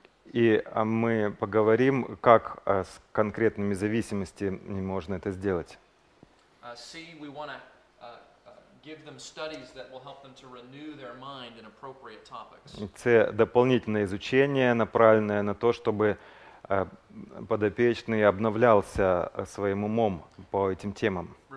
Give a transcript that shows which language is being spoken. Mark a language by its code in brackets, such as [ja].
[ru] И мы поговорим, как с конкретными зависимостями можно это сделать. [en] See, we want to give them studies that will help them to renew their mind in appropriate topics. [ru] Это дополнительное изучение, направленное на то, чтобы подопечный обновлялся своим умом по этим темам.